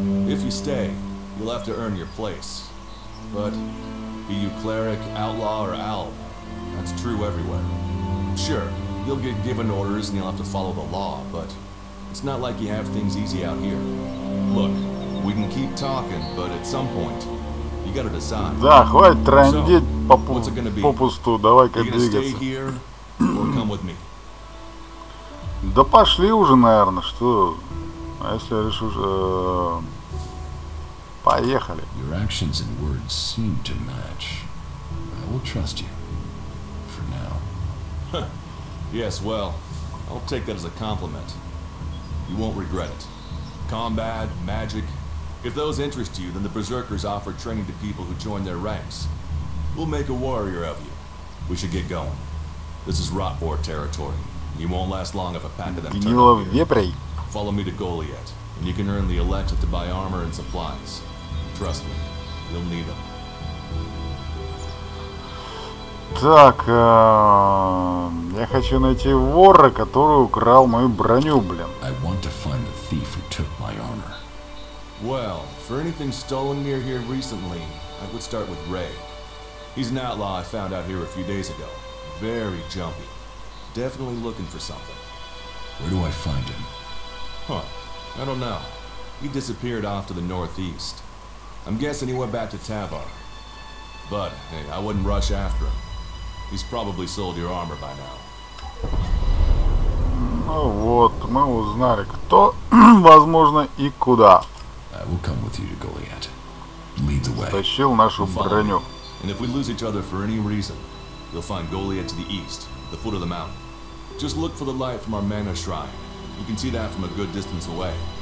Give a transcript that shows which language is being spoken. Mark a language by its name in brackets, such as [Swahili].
[English] If you stay, you'll have to earn your place. But be you cleric, outlaw, or alb, that's true everywhere. Sure, you'll get given orders and you'll have to follow the law, but it's not like you have things easy out here. Look, we can keep talking, but at some point, you gotta decide. [Russian] Да, хватит трандить попусту, давай-ка двигаться. [English] Here, or come with me? [Russian] Да пошли уже, наверное, что? А если лишь уже... Поехали. [English] Your actions and words seem to match. I will trust you. For now. Yes, well, I'll take that as a compliment. You won't regret it. Combat, magic. If those interest you, then the Berserkers offer training to people who join their ranks. We'll make a warrior of you. We should get going. This is Rotvor territory. You won't last long if a pack of them turn up here. Follow me to Goliath, and you can earn the Electa to buy armor and supplies. Trust me, you'll need them. [Russian] Так, я хочу найти вора, который украл мою броню, блин. [English] I want to find the thief who took my armor. Well, for anything stolen near here recently, I would start with Ray. He's an outlaw I found out here a few days ago. Very jumpy. Definitely looking for something. Where do I find him? Huh, I don't know. He disappeared off to the northeast. I'm guessing he went back to Tavar. But, hey, I wouldn't rush after him. He's probably sold your armor by now. [Russian] Ну вот, мы узнали, кто, возможно, и куда. [English] I will come with you to Goliath. Lead the way. [Russian] Стащил нашу броню. [English] And if we lose each other for any reason, you'll find Goliath to the east, at the foot of the mountain. Just look for the light from our mana shrine. You can see that from a good distance away.